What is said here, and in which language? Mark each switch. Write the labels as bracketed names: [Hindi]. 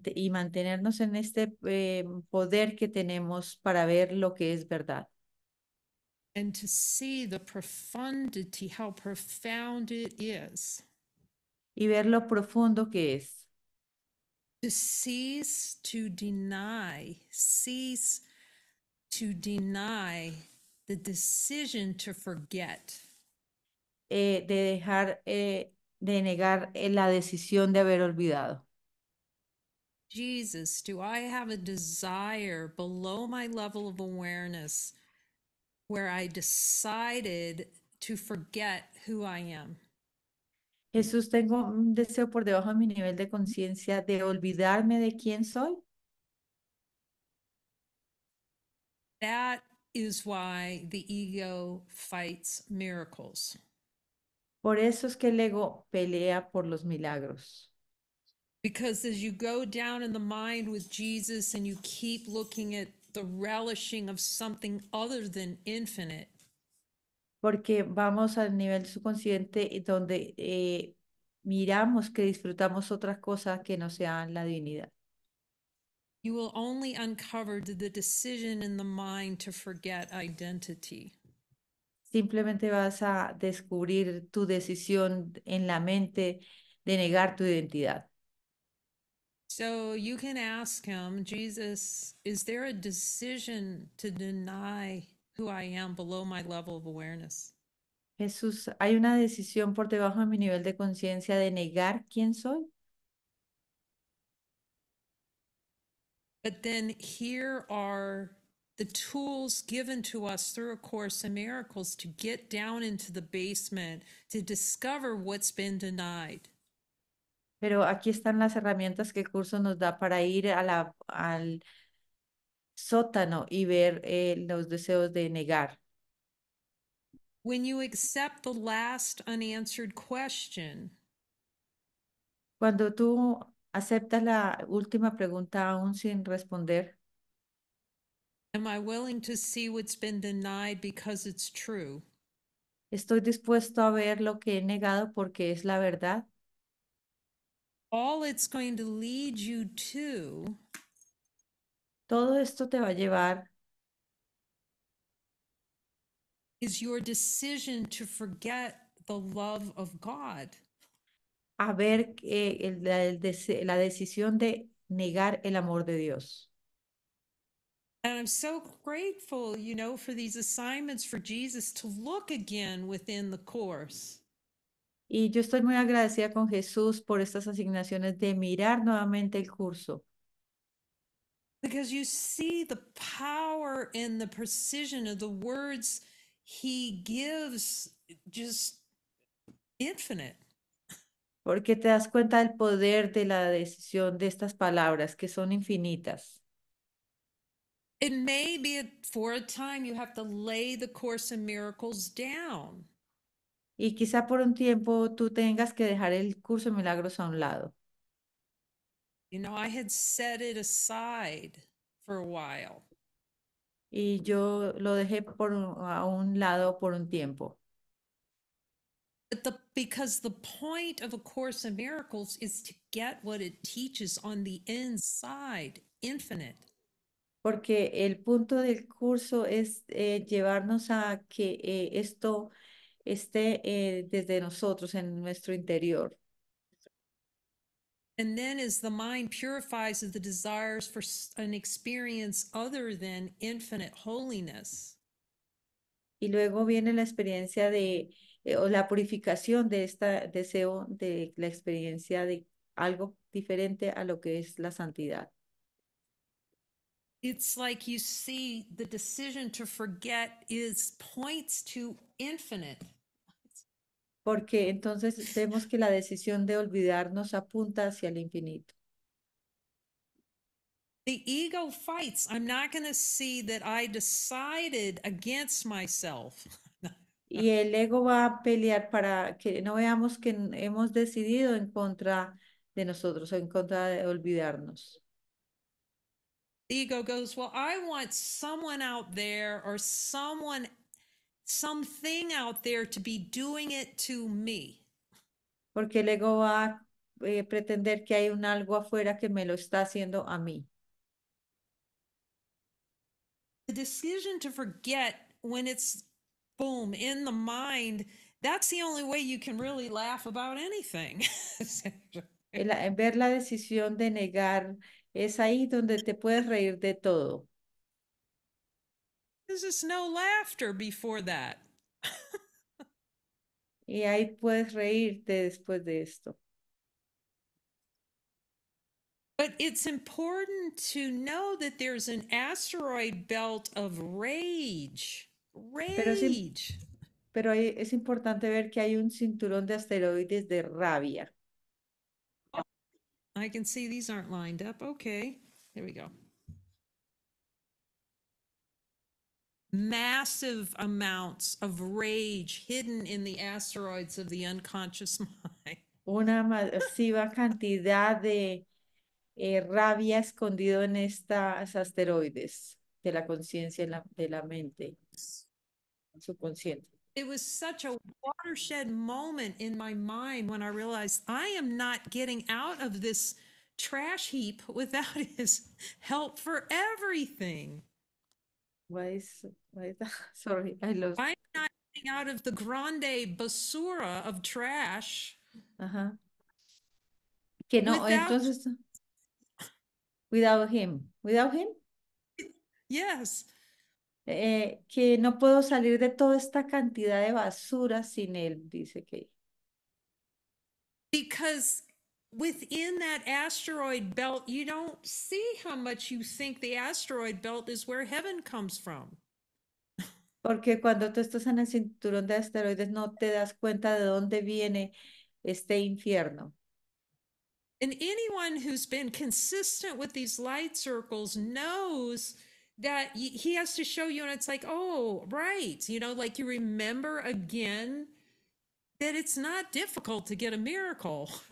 [Spanish] Mantenernos en este poder que tenemos para ver lo que es verdad. [English] And to see the profundity, how profound it is. [Spanish] Y ver lo profundo que es. [English] To cease to deny, cease to deny the decision to forget. [Spanish] De negar la decisión de haber olvidado. [English] Jesus, do I have a desire below my level of awareness where I decided to forget who I am? [Spanish] Jesús, tengo un deseo por debajo de mi nivel de conciencia de olvidarme de quién soy. [English] That is why the ego fights miracles. [Spanish] Por eso es que el ego pelea por los milagros. [English] Because as you go down in the mind with Jesus and you keep looking at the relishing of something other than infinite. [Spanish] Porque vamos al nivel subconsciente donde miramos que disfrutamos otra cosa que no sea la divinidad. [English] You will only uncover the decision in the mind to forget identity. [Spanish] Simplemente vas a descubrir tu decisión en la mente de negar tu identidad. [English] So you can ask him, Jesus, is there a decision to deny who I am below my level of awareness? [Spanish] Jesús, ¿hay una decisión por debajo de mi nivel de conciencia de negar quién soy? [English] But then here are the tools given to us through A Course in Miracles to get down into the basement to discover what's been denied. [Spanish] Pero aquí están las herramientas que el curso nos da para ir al sótano y ver los deseos de negar. [English] When you accept the last unanswered question, [Spanish] cuando tú aceptas la última pregunta aún sin responder, [English] am I willing to see what's been denied because it's true? [Spanish] ¿Estoy dispuesto a ver lo que he negado porque es la verdad? [English] All it's going to lead you to, [Spanish] todo esto te va a llevar, [English] is your decision to forget the love of God. [Spanish] A ver la decisión de negar el amor de Dios. [English] And I'm so grateful, you know, for these assignments for Jesus to look again within the course. [Spanish] Y yo estoy muy agradecida con Jesús por estas asignaciones de mirar nuevamente el curso. [English] Because you see the power and the precision of the words he gives, just infinite. [Spanish] Porque te das cuenta del poder de la decisión de estas palabras que son infinitas. [English] It may be for a time you have to lay the Course in Miracles down. [Spanish] Y quizá por un tiempo tú tengas que dejar el curso de milagros a un lado. [English] You know, I had set it aside for a while. [Spanish] Y yo lo dejé a un lado por un tiempo. [English] But because the point of A Course in Miracles is to get what it teaches on the inside, infinite. [Spanish] Porque el punto del curso es llevarnos a que esto esté desde nosotros, en nuestro interior. [English] And then as the mind purifies the desires for an experience other than infinite holiness. [Spanish] Y luego viene la experiencia de o la purificación de este deseo de la experiencia de algo diferente a lo que es la santidad. [English] It's like you see the decision to forget is points to infinite. [Spanish] Porque entonces vemos que la decisión de olvidarnos apunta hacia el infinito. [English] Ego fights. I'm not going to see that I decided against myself. [Spanish] Y el ego va a pelear para que no veamos que hemos decidido en contra de nosotros o en contra de olvidarnos. [English] Ego goes, well, I want someone out there or someone, something out there to be doing it to me. [Spanish] Porque el ego va a pretender que hay un algo afuera que me lo está haciendo a mí. [English] The decision to forget when it's boom in the mind, that's the only way you can really laugh about anything. [Spanish] En ver la decisión de negar es ahí donde te puedes reír de todo. [English] There's just no laughter before that. [Spanish] Y ahí puedes reírte después de esto. [English] It's important to know that there's an asteroid belt of rage. Rage. [Spanish] Pero es importante ver que hay un cinturón de asteroides de rabia. [English] I can see these aren't lined up. Okay, here we go. Massive amounts of rage hidden in the asteroids of the unconscious mind. [Spanish] Una masiva cantidad de rabia escondido en estos asteroides de la conciencia, de la mente, subconsciente. [English] It was such a watershed moment in my mind when I realized I am not getting out of this trash heap without his help for everything. Why is that? Sorry, I lost. I'm not getting out of the [Spanish] grande basura [English] of trash [Spanish] Ajá. Que no, [English] without. [Spanish] entonces, [English] without him, Yes. [Spanish] que no puedo salir de toda esta cantidad de basura sin él, dice que. [English] Because within that asteroid belt, you don't see how much you think the asteroid belt is where heaven comes from. [Spanish] Porque cuando tú estás en el cinturón de asteroides, no te das cuenta de dónde viene este infierno. [English] And anyone who's been consistent with these light circles knows that he has to show you, and it's like, oh, right. You know, like you remember again that it's not difficult to get a miracle.